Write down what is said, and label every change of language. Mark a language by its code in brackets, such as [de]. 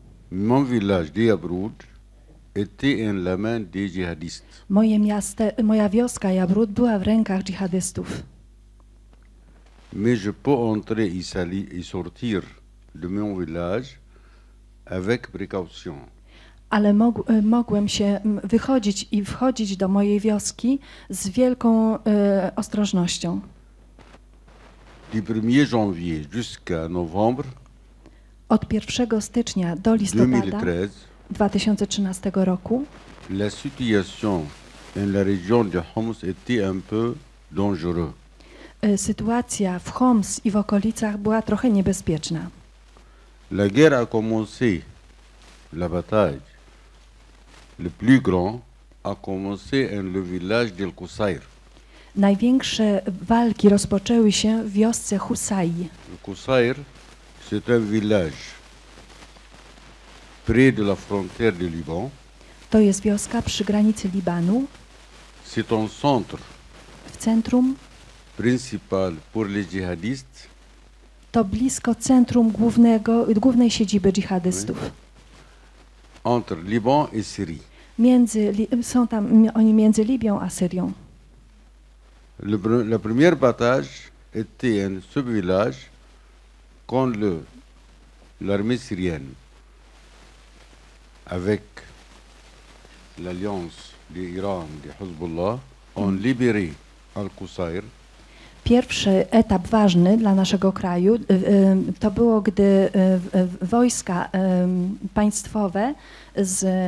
[fr] Mon village de Yabrud était en la main des djihadistes. [pl] Moje miasto, moja wioska Yabrud była w rękach dżihadystów. [fr] Mais je peux entrer et sortir de mon village avec précaution. [pl] ale mogłem się wychodzić i wchodzić do mojej wioski z wielką ostrożnością. [fr] Du 1er janvier jusqu'à novembre. [pl] Od 1 stycznia do listopada 2013 roku. [fr] La situation en la région de Homs était un peu dangereuse. [pl] Sytuacja w Homs i w okolicach była trochę niebezpieczna. [fr] La guerre a commencé. La bataille. Le plus grand a commencé en le village de Kusair. [pl] Największe walki rozpoczęły się w wiosce Husay. [fr] Kusair, c'est un village près de la frontière du Liban. [pl] To jest wioska przy granicy Libanu. [fr] C'est un centre. [pl] W centrum. [fr] Principal pour les djihadistes. [pl] To blisko centrum głównej siedziby dżihadystów. [fr] Entre Liban et Syrie. [pl] Są tam oni między Libią a Syrią. [fr] La première bataille était en ce village contre l'armée syrienne avec l'alliance de l'Iran de Hezbollah ont libéré Al-Qusayr. [pl] Pierwszy etap ważny dla naszego kraju to było, gdy wojska państwowe z